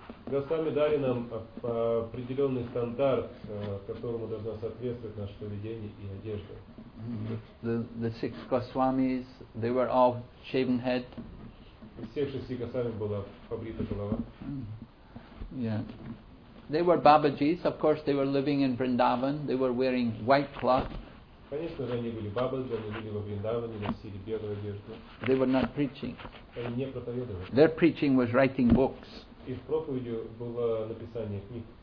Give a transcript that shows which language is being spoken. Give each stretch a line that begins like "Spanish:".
Russian: Госвами дали нам определенный стандарт, которому должна соответствовать наше поведение и одежда.
English: The six Goswamis, they were all shaven head.
Russian: У всех шести Госвами была побрита голова.
English: Yeah. They were Babajis, of course they were living in Vrindavan, they were wearing white cloth.
Russian: Конечно же, они были Бабаджи, они жили во Вриндаване, носили белую одежду.
English: They were not preaching.
Russian: Они не проповедовали.
English: Their preaching was writing books.
Russian: Их проповедью было написание книг.